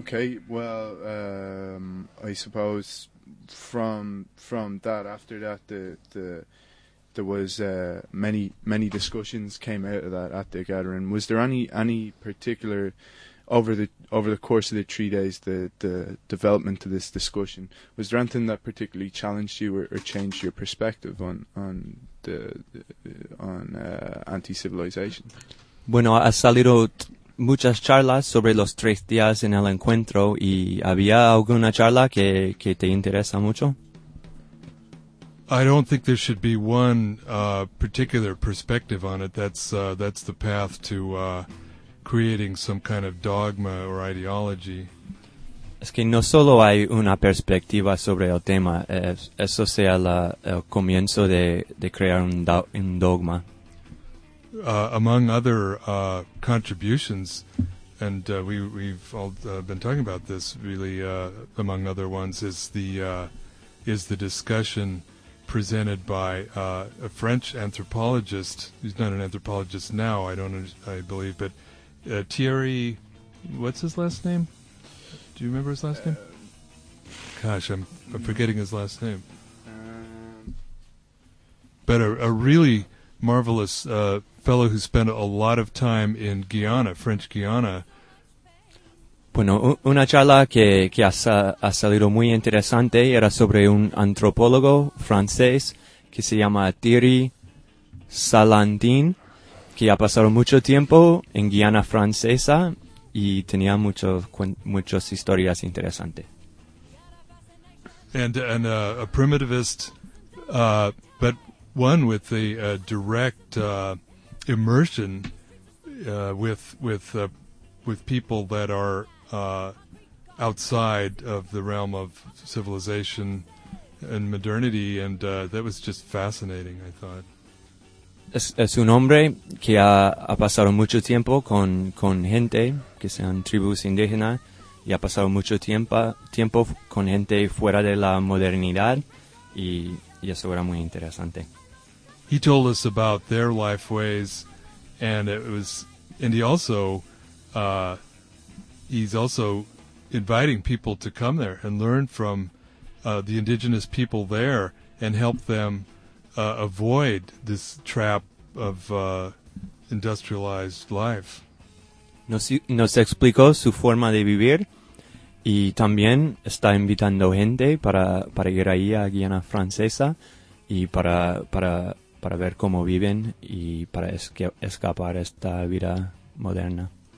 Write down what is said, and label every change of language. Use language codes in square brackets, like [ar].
[en] I suppose from that, after that, there was many discussions came out of that at the gathering. Was there any particular over the course of the 3 days, the development of this discussion, was there anything that particularly challenged you or changed your perspective on anti-civilization? [es] Bueno, ha salido muchas charlas sobre los 3 días en el encuentro, y había alguna charla que te interesa mucho? [en] I don't think there should be one particular perspective on it. That's the path to creating some kind of dogma or ideology. [es] Es que no solo hay una perspectiva sobre el tema, eso sea el comienzo de crear un dogma. [en] Among other contributions, and we've all been talking about this, really, among other ones, is the discussion presented by a French anthropologist. He's not an anthropologist now, I believe, but Thierry, what's his last name? Do you remember his last name? Gosh, I'm forgetting his last name. But a really marvelous fellow who spent a lot of time in Guyana, French Guyana. [es] Bueno, una charla que ha salido muy interesante era sobre un antropólogo francés que se llama Thierry Salandin, que ha pasado mucho tiempo en Guyana francesa. Y tenía muchas historias interesantes. [en] And a primitivist, but one with a direct immersion with people that are outside of the realm of civilization and modernity, and that was just fascinating, I thought. [es] Es un hombre que ha pasado mucho tiempo con gente que sean tribus indígenas y ha pasado mucho tiempo con gente fuera de la modernidad y eso era muy interesante. [en] He told us about their life ways and he's also inviting people to come there and learn from the indigenous people there and help them avoid this trap of industrialized life. [es] Nos explicó su forma de vivir y también está invitando gente para ir ahí a Guyana Francesa y para ver cómo viven y para escapar esta vida moderna.